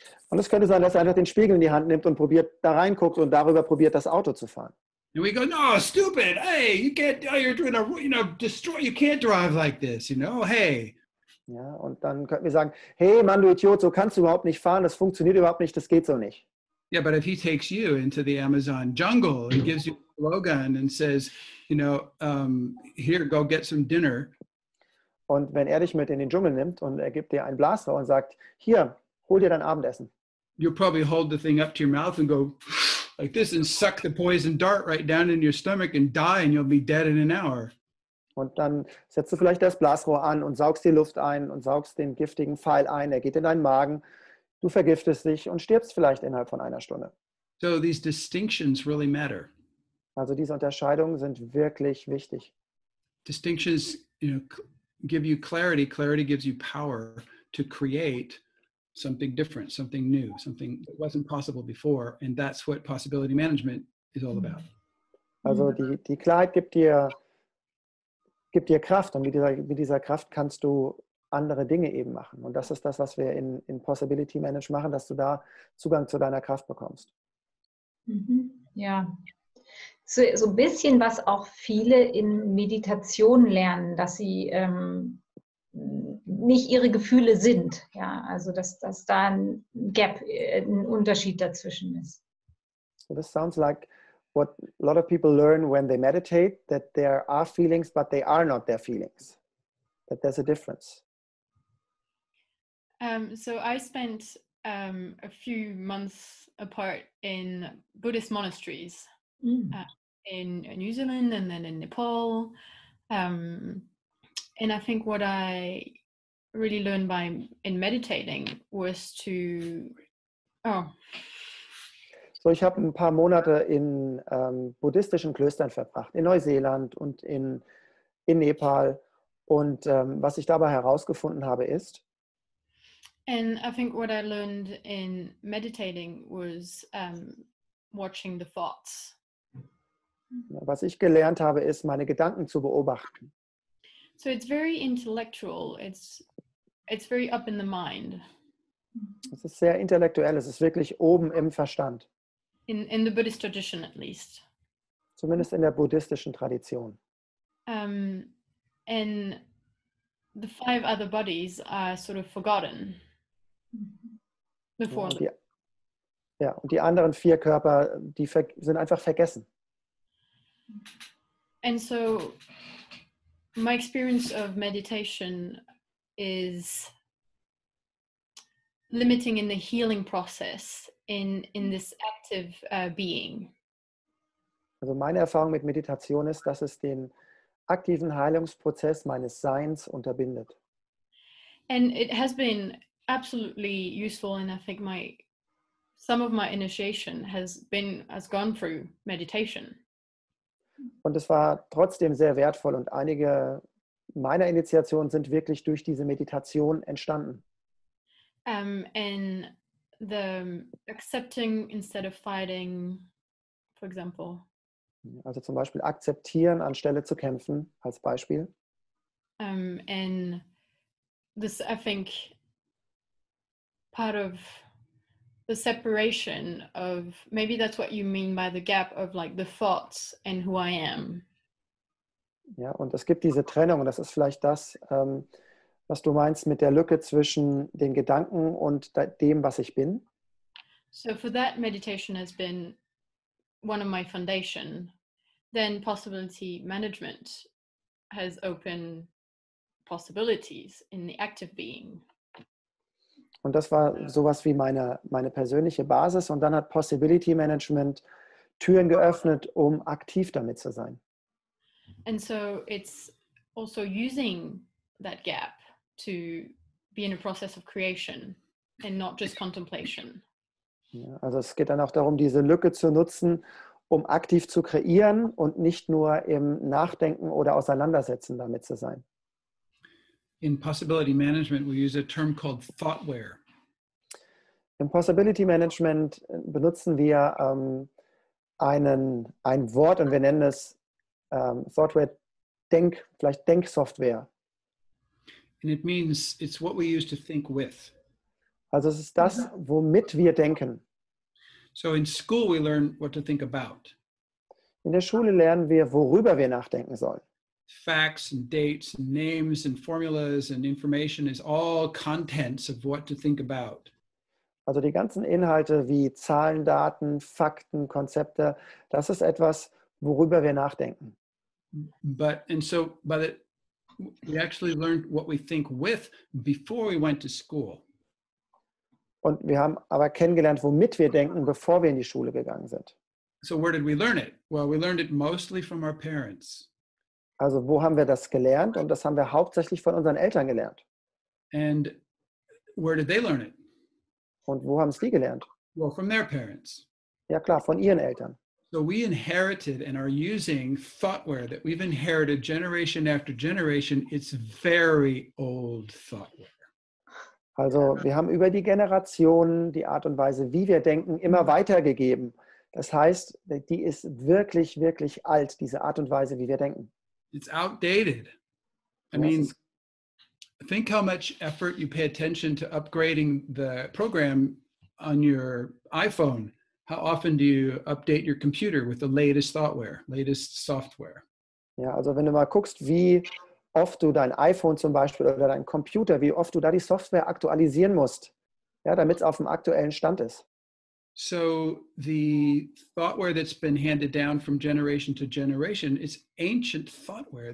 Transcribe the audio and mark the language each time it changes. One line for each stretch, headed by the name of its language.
German: Und es könnte sein, dass er einfach den Spiegel in die Hand nimmt und probiert, da reinguckt und darüber probiert, das Auto zu fahren.
English: And we go, no, stupid, hey, you can't, you're doing a, you know, destroy, you can't drive like this, you know, hey.
German: Ja, und dann könnten wir sagen, hey, Mann, du Idiot, so kannst du überhaupt nicht fahren, das funktioniert überhaupt nicht, das geht so nicht.
English: Yeah, but if he takes you into the Amazon jungle and gives you a blowgun and says, you know, here, go get some dinner.
German: Und wenn er dich mit in den Dschungel nimmt und er gibt dir einen Blaster und sagt, hier, hol dir dein Abendessen.
English: You'll probably hold the thing up to your mouth and go like this and suck the poison dart right down in your stomach and die and you'll be dead in an hour.
German: Und dann setzt du vielleicht das Blasrohr an und saugst die Luft ein und saugst den giftigen Pfeil ein. Er geht in deinen Magen. Du vergiftest dich und stirbst vielleicht innerhalb von einer Stunde.
English: So these distinctions really matter.
German: Also diese Unterscheidungen sind wirklich wichtig.
English: Distinctions, you know, give you clarity. Clarity gives you power to create something different, something new, something that wasn't possible before. And that's what possibility management is all about.
German: Also die Klarheit gibt dir Kraft und mit dieser Kraft kannst du andere Dinge eben machen. Und das ist das, was wir in Possibility Manage machen, dass du da Zugang zu deiner Kraft bekommst. Mhm. Ja, so ein bisschen, was auch viele in Meditation lernen, dass sie nicht ihre Gefühle sind. Ja, also dass da ein Gap, ein Unterschied dazwischen ist.
English: So this sounds like what a lot of people learn when they meditate, that there are feelings, but they are not their feelings. That there's a difference. So I spent a few months apart in Buddhist monasteries in New Zealand and then in Nepal. And I think what I really learned in meditating was to... Oh.
German: So ich habe ein paar Monate in buddhistischen Klöstern verbracht, in Neuseeland und in Nepal. Und was ich dabei herausgefunden habe, ist...
English: And I think what I learned in meditating was watching the thoughts.
German: Was ich gelernt habe, ist, meine Gedanken zu beobachten.
English: So it's very intellectual. It's very up in the mind.
German: Es ist sehr intellektuell. Es ist wirklich oben im Verstand.
English: In the Buddhist tradition at least.
German: Zumindest in der buddhistischen Tradition.
English: And the five other bodies are sort of forgotten.
German: Und die anderen vier Körper, die sind einfach vergessen.
English: And so my experience of meditation is limiting in the healing process in this active being.
German: Also meine Erfahrung mit Meditation ist, dass es den aktiven Heilungsprozess meines Seins unterbindet.
English: And it has been absolutely useful, and I think some of my initiation has gone through meditation.
German: Und es war trotzdem sehr wertvoll, und einige meiner Initiation sind wirklich durch diese Meditation entstanden.
English: And the accepting instead of fighting, for example.
German: Also zum Beispiel akzeptieren anstelle zu kämpfen, als Beispiel.
English: And this, I think, part of the separation of, maybe that's what you mean by the gap of like the thoughts and who I am.
German: Ja, und es gibt diese Trennung, und das ist vielleicht das, was du meinst mit der Lücke zwischen den Gedanken und dem, was ich bin.
English: So for that, meditation has been one of my foundation. Then possibility management has opened possibilities in the active being.
German: Und das war sowas wie meine persönliche Basis. Und dann hat Possibility Management Türen geöffnet, um aktiv damit zu sein.
English: And so it's also using that gap to be in a process of creation and not just contemplation.
German: Ja, also es geht dann auch darum, diese Lücke zu nutzen, um aktiv zu kreieren und nicht nur im Nachdenken oder Auseinandersetzen damit zu sein.
English: In Possibility Management, we use a term called thoughtware.
German: In Possibility Management benutzen wir ein Wort, und wir nennen es Software, vielleicht Denksoftware.
English: And it means it's what we use to think with.
German: Also es ist das, womit wir denken.
English: So in school we learn what to think about.
German: In der Schule lernen wir, worüber wir nachdenken sollen.
English: Facts and dates and names and formulas and information is all contents of what to think about.
German: Also die ganzen Inhalte wie Zahlen, Daten, Fakten, Konzepte, das ist etwas, worüber wir nachdenken.
English: But and so by the we actually learned what we think with before we went to school.
German: Und wir haben aber kennengelernt, womit wir denken, bevor wir in die Schule gegangen sind.
English: So where did we learn it? Well, we learned it mostly from our parents.
German: Also wo haben wir das gelernt? Und das haben wir hauptsächlich von unseren Eltern gelernt.
English: And where did they learn it?
German: Und wo haben es die gelernt?
English: Well, from their parents.
German: Ja klar, von ihren Eltern.
English: So we inherited and are using thoughtware that we've inherited generation after generation. It's very old thoughtware.
German: Also wir haben über die Generationen die Art und Weise, wie wir denken, immer weitergegeben. Das heißt, die ist wirklich, wirklich alt, diese Art und Weise, wie wir denken.
English: It's outdated. I mean, think how much effort you pay attention to upgrading the program on your iPhone. How often do you update your computer with the latest software?
German: Ja, also wenn du mal guckst, wie oft du dein iPhone zum Beispiel oder dein Computer, wie oft du da die Software aktualisieren musst, ja, damit es auf dem aktuellen Stand ist.
English: So the thoughtware that's been handed down from generation to generation is ancient thoughtware.